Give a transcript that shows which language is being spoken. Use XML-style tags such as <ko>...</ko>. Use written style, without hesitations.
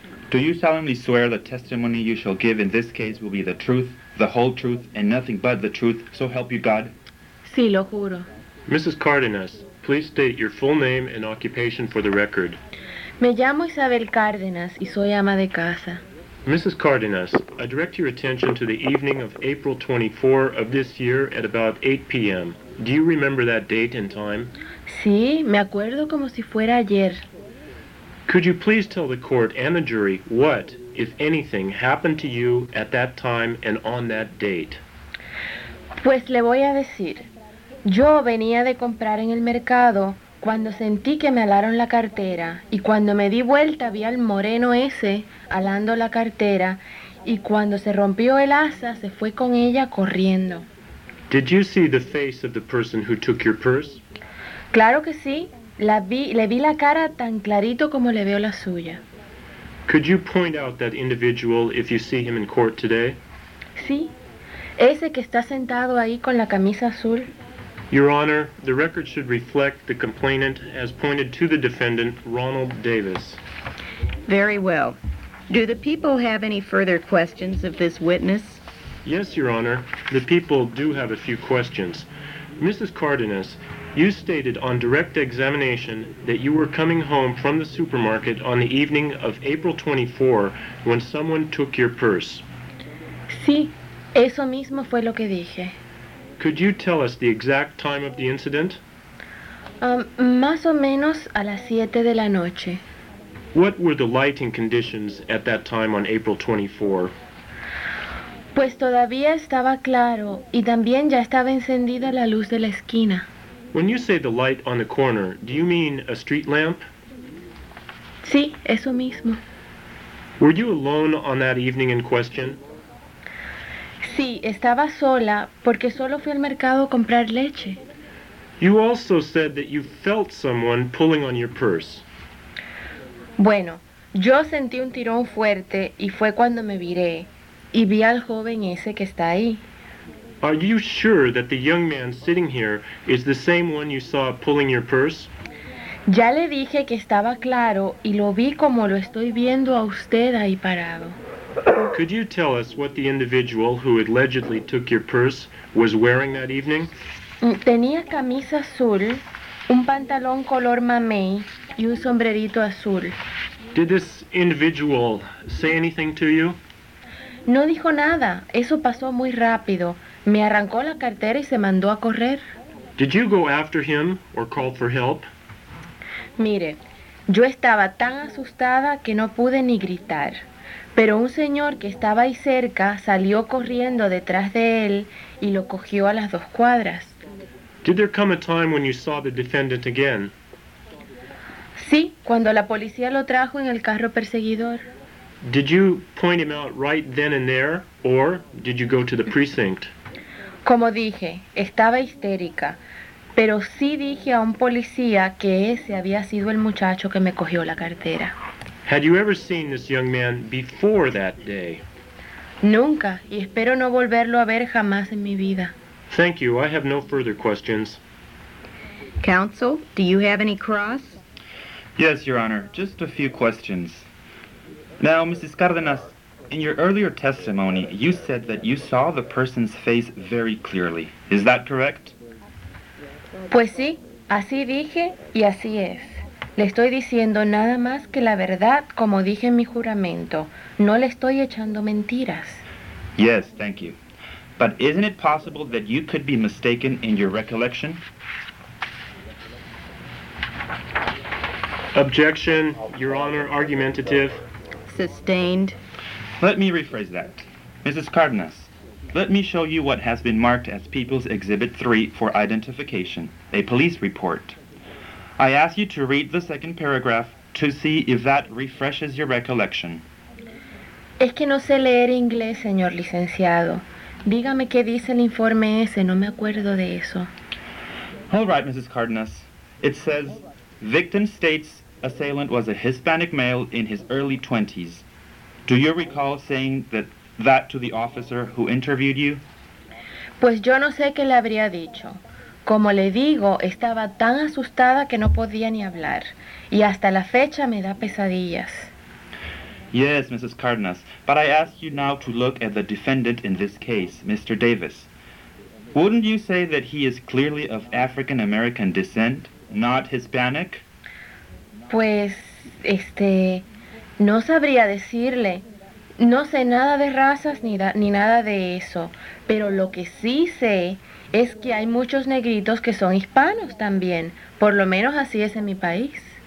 <en>Do you solemnly swear the testimony you shall give in this case will be the truth, the whole truth, and nothing but the truth, so help you God?</en> <es>Sí, lo juro.</es> <en>Mrs. Cárdenas, please state your full name and occupation for the record.</en> <es>Me llamo Isabel Cárdenas y soy ama de casa.</es> <en>Mrs. Cárdenas, I direct your attention to the evening of April 24 of this year at about 8 p.m. Do you remember that date and time?</en> <es>Sí, me acuerdo como si fuera ayer.</es> <en>Could you please tell the court and the jury what, if anything, happened to you at that time and on that date?</en> <es>Pues le voy a decir. Yo venía de comprar en el mercado cuando sentí que me alaron la cartera y cuando me di vuelta vi al moreno ese alando la cartera y cuando se rompió el asa se fue con ella corriendo.</es> <en>Did you see the face of the person who took your purse?</en> <es>Claro que sí. Le vi la cara tan clarito como le veo la suya.</es> <en>Could you point out that individual if you see him in court today?</en> <es>Sí. Ese que está sentado ahí con la camisa azul.</es> <en>Your Honor, the record should reflect the complainant as pointed to the defendant, Ronald Davis. Very well. Do the people have any further questions of this witness? Yes, Your Honor. The people do have a few questions. Mrs. Cárdenas, you stated on direct examination that you were coming home from the supermarket on the evening of April 24 when someone took your purse.</en> <es>Sí, eso mismo fue lo que dije.</es> <en>Could you tell us the exact time of the incident?</en> <es>Más o menos a las 7 de la noche.</es> <en>What were the lighting conditions at that time on April 24?</en> <es>Pues todavía estaba claro y también ya estaba encendida la luz de la esquina.</es> <en>When you say the light on the corner, do you mean a street lamp?</en> <es>Sí, eso mismo.</es> <en>Were you alone on that evening in question?</en> <es>Sí, estaba sola porque solo fui al mercado a comprar leche.</es> <en>You also said that you felt someone pulling on your purse.</en> <es>Bueno, yo sentí un tirón fuerte y fue cuando me viré y vi al joven ese que está ahí.</es> <en>Are you sure that the young man sitting here is the same one you saw pulling your purse?</en> <es>Ya le dije que estaba claro y lo vi como lo estoy viendo a usted ahí parado.</es> <en>Could you tell us what the individual who allegedly took your purse was wearing that evening?</en> <es>Tenía camisa azul, un pantalón color mamey y un sombrerito azul.</es> <en>Did this individual say anything to you?</en> <es>No dijo nada. Eso pasó muy rápido. Me arrancó la cartera y se mandó a correr.</es> <en>Did you go after him or call for help?</en> <es>Mire, yo estaba tan asustada que no pude ni gritar. Pero un señor que estaba ahí cerca salió corriendo detrás de él y lo cogió a las dos cuadras.</es> <en>Did there come a time when you saw the defendant again?</en> <es>Sí, cuando la policía lo trajo en el carro perseguidor.</es> <en>Did you point him out right then and there, or did you go to the precinct?</en> <es>Como dije, estaba histérica, pero sí dije a un policía que ese había sido el muchacho que me cogió la cartera.</es> <en>Had you ever seen this young man before that day?</en> <es>Nunca, y espero no volverlo a ver jamás en mi vida.</es> <en>Thank you. I have no further questions. Counsel, do you have any cross? Yes, Your Honor. Just a few questions. Now, Mrs. Cárdenas, in your earlier testimony, you said that you saw the person's face very clearly. Is that correct?</en> <es>Pues sí, así dije y así es. Le estoy diciendo nada más que la verdad, como dije en mi juramento. No le estoy echando mentiras.</es> <en>Yes, thank you. But isn't it possible that you could be mistaken in your recollection? Objection, Your Honor, argumentative. Sustained. Let me rephrase that. Mrs. Cárdenas, let me show you what has been marked as People's Exhibit 3 for identification, a police report. I ask you to read the second paragraph to see if that refreshes your recollection.</en> <es>Es que no sé leer inglés, señor licenciado. Dígame qué dice el informe ese, no me acuerdo de eso.</es> <en>All right, Mrs. Cardenas. It says, victim states assailant was a Hispanic male in his early 20s. Do you recall saying that to the officer who interviewed you?</en> <es>Pues yo no sé qué le habría dicho. Como le digo, estaba tan asustada que no podía ni hablar. Y hasta la fecha me da pesadillas.</es> <en>Yes, Mrs. Cardenas, but I ask you now to look at the defendant in this case, Mr. Davis. Wouldn't you say that he is clearly of African-American descent, not Hispanic?</en> <es>Pues, no sabría decirle. No sé nada de razas ni nada de eso. Pero lo que sí sé es que hay muchos negritos que son hispanos también. Por lo menos así es en mi país.</es>